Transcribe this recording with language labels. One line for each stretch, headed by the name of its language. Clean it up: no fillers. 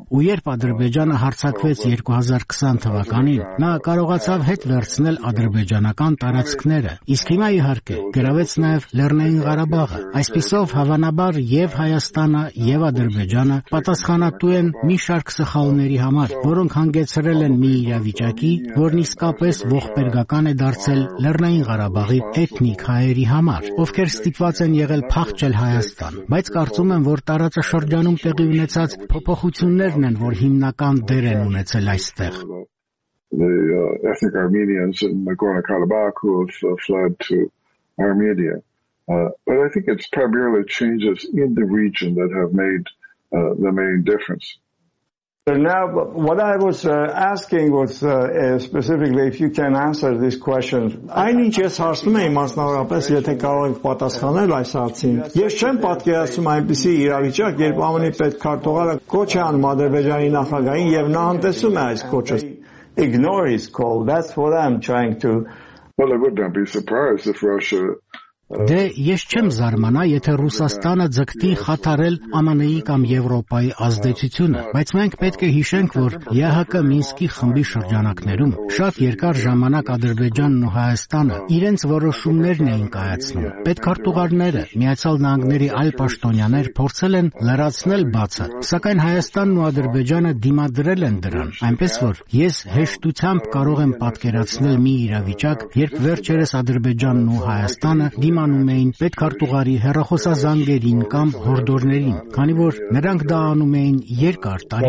Armenian: ու երբ Ադրբեջանը հարձակվեց 2020 թվականին, նա կարողացավ հետ վերցնել ադրբեջանական տարածքները, իսկ հիմա իհարկե գրավեց նաև Լեռնային Ղարաբաղը։ Այսպիսով հավանաբար եւ Հայաստանը եւ Ադրբեջանը պատասխանատու են մի շարք սխալների համար, որոնք հանգեցրել են մի իրավիճակի, որն իսկապես ողբերգական է դարձել Լեռնային Ղարաբաղի էթնիկ հայերի համար, ովքեր ստիպված են եղել փախչել Հայաստան, բայց կարծում եմ, որ տարածաշրջանում տեղի ունեցած փոփոխություններն են, որ հիմնական դեր են ունեցել այստեղ։
English: The ethnic Armenians in Nagorno-Karabakh have fled to Armenia. But I think it's primarily changes in the region that have made the main difference. Now, what I was asking was specifically if you can answer this question.
Armenian: Այն ինչ ես հարցնում եմ մասնավորապես, եթե կարող եք պատասխանել այս հարցին. Ես չեմ պատկերացնում այնպիսի իրավիճակ, երբ ԱՄՆ-ի պետքարտուղարը կոչ է անում Ադրբեջանի նախագահին և նա անտեսում է այս կոչը.
English: Ignore his call. That's what I'm trying to. Well, I would not be surprised if Russia.
Armenian: Դե ես չեմ զարմանա, եթե Ռուսաստանը ձգտի խաթարել ԱՄՆ-ի կամ Եվրոպայի ազդեցությունը, բայց մենք պետք է հիշենք, որ ՀՀԿ Մինսկի խմբի շրջանակներում շատ երկար ժամանակ Ադրբեջանն ու Հայաստանը իրենց որոշումներն էին կայացնում։ Պետքարտուղարները, Միացյալ Նահանգների այլ պաշտոնյաներ փորձել են լրացնել բացը, սակայն Հայաստանն ու Ադրբեջանը դիմադրել են դրան, այնպես որ ես հեշտությամբ կարող եմ պատկերացնել մի իրավիճակ, երբ վերջերս Ադրբեջանն ու Հայաստանը դիմանում էին պետքարտուղարի հեռախոսազանգերին կամ հորդորներին, քանի որ նրանք դա անում էին երկար